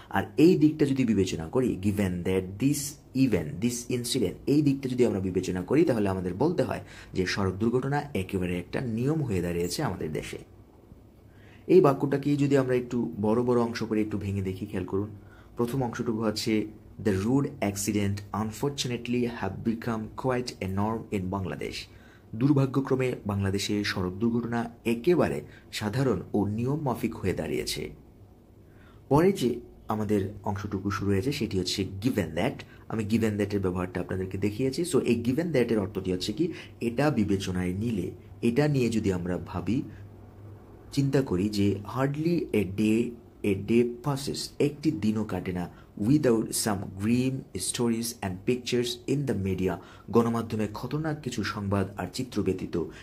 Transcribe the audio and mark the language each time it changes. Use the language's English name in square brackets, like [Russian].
[Bangla] আর এই দিকটা যদি বিবেচনা করি, [English] given that this event, this incident, [Bangla] এই দিকটা যদি আমরা বিবেচনা করি, তাহলে আমাদের বলতে হয় যে সড়ক দুর্ঘটনা একেবারে একটা নিয়ম হয়ে দাঁড়িয়েছে আমাদের দেশে। এই বাক্যটাকে যদি আমরা একটু বড় বড় অংশ করে একটু ভেঙে দেখি, খেয়াল করুন, প্রথম অংশটুকু হচ্ছে [English] The road accident unfortunately have become quite a norm in Bangladesh. [Bangla] দুর্ভাগ্যক্রমে বাংলাদেশে সড়ক দুর্ঘটনা একেবারে সাধারণ ও নিয়ম মাফিক হয়ে দাঁড়িয়েছে। পরে যে আমাদের অংশটুকু শুরু হয়েছে সেটি হচ্ছে গিভেন দ্যাট। আমি গিভেন দ্যাটের ব্যবহারটা আপনাদেরকে দেখিয়েছি। সো এই গিভেন দ্যাটের অর্থটি হচ্ছে কি, এটা বিবেচনায় নিলে, এটা নিয়ে যদি আমরা ভাবি, চিন্তা করি, যে [English] hardly a day passes, [Bangla] একটি দিনও কাটে না, [English] without some grim stories and pictures in the media, [Bangla] গণমাধ্যমে খতরনাক কিছু সংবাদ আর চিত্র ব্যতীত।